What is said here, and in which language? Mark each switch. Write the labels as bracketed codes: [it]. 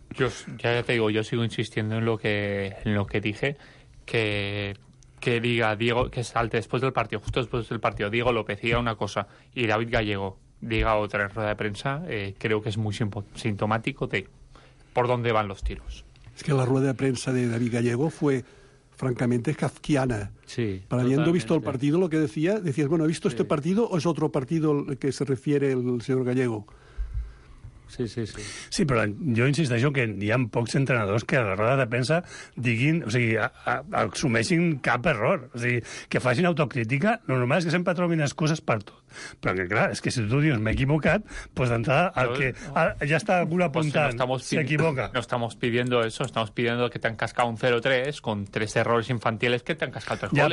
[es] Yo ya te digo, yo sigo insistiendo en lo que dije, que diga Diego, que salte después del partido, justo después del partido, Diego López diga una cosa y David Gallego diga otra en rueda de prensa, creo que es muy sintomático de por dónde van los tiros. Es que la rueda de prensa de David Gallego fue francamente kafkiana. Sí. Para habiendo visto el partido, lo que decías, bueno, ¿he visto este partido o es otro partido al que se refiere el señor Gallego? Sí, sí, sí. [ca] Sí, però jo insisteixo que hi ha pocs entrenadors que a la roda de premsa diguin, o sigui, assumeixin cap error. O sigui, que facin autocrítica. Lo normal és que sempre trobin excuses per tot. Però, que, clar, és que si tu dius m'he equivocat, pues d'entrada, el que ja està algú apuntant, pues si no s'equivoca. [es] No estamos pidiendo eso, estamos pidiendo que te han cascado un 0-3 con tres errores infantiles que te han cascado tres goles.